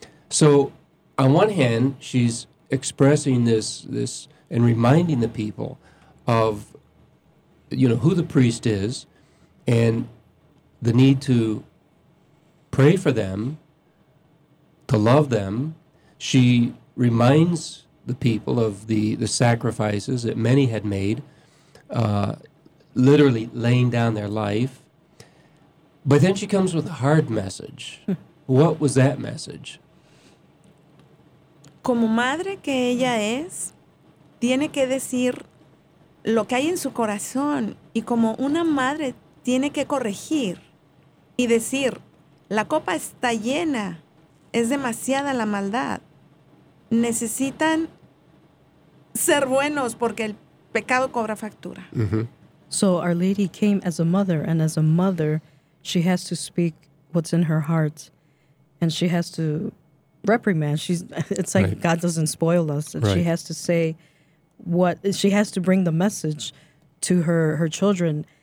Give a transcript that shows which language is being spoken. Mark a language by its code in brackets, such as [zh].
[en] So on one hand, she's expressing this and reminding the people of, you know, who the priest is and the need to pray for them, to love them. She reminds the people of the sacrifices that many had made, literally laying down their life. But then she comes with a hard message. What was that message? [es] Como madre que ella es, tiene que decir lo que hay en su corazón. Y como una madre tiene que corregir y decir, la copa está llena, es demasiada la maldad. Necesitan ser buenos porque el pecado cobra factura. Mm-hmm. [en] So Our Lady came as a mother, and as a mother, she has to speak what's in her heart, and she has to reprimand. It's like, right. God doesn't spoil us, and right. She has to say what she has to bring the message to her children.